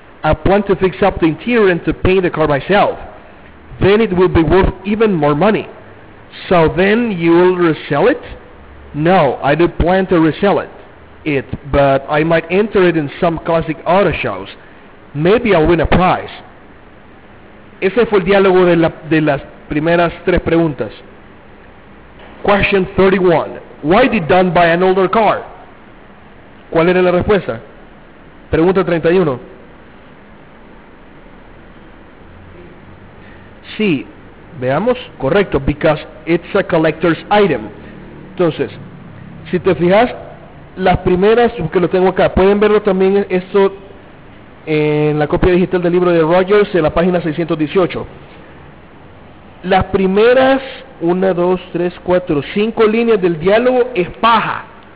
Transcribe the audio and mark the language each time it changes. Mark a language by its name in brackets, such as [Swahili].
[English] I plan to fix up the interior and to paint the car myself. Then it will be worth even more money. So then you will resell it? No, I do plan to resell it, but I might enter it in some classic auto shows. Maybe I'll win a prize. [Spanish] Ese fue el diálogo de las primeras tres preguntas. [English] Question 31. Why did Dan buy an older car? [Spanish] ¿Cuál era la respuesta? Pregunta 31. Sí, veamos. Correcto, [English] because it's a collector's item. [Spanish] Entonces, si te fijas, las primeras, que lo tengo acá, pueden verlo también esto en la copia digital del libro de Rogers, en la página 618. Las primeras, 1, 2, 3, 4, 5 líneas del diálogo es paja.